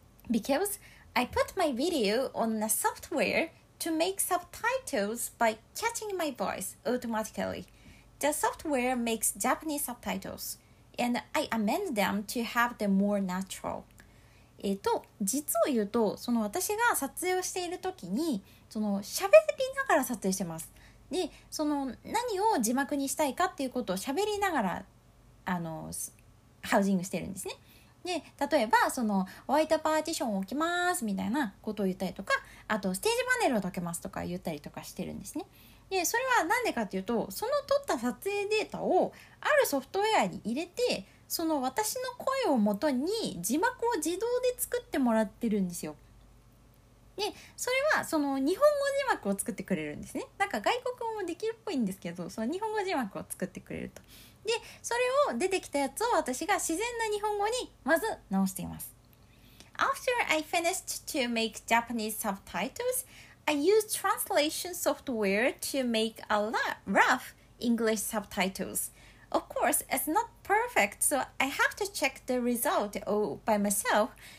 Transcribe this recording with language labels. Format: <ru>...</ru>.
<en>Because I put my video on a software to make subtitles by catching my voice automatically. The software makes Japanese subtitles, and I amend them to have them more natural.</en> <ja>実を言うと、その私が撮影をしている時にその喋りながら撮影してます。でその何を字幕にしたいかっていうことを喋りながらハウジングしてるんですね。で例えばそのホワイトパーティションを置きますみたいなことを言ったりとか、あとステージパネルを解けますとか言ったりとかしてるんですね。でそれは何でかっていうと、その撮った撮影データをあるソフトウェアに入れて、その私の声をもとに字幕を自動で作ってもらってるんですよ。でそれはその日本語字幕を作ってくれるんですね。なんか外国語もできるっぽいんですけど、その日本語字幕を作ってくれると。でそれを出てきたやつを私が自然な日本語にまず直しています。</ja> <en>After I finished to make Japanese subtitles, I used translation software to make a rough English subtitlesOf course, it's not perfect, so I have to check the result by myself.</en>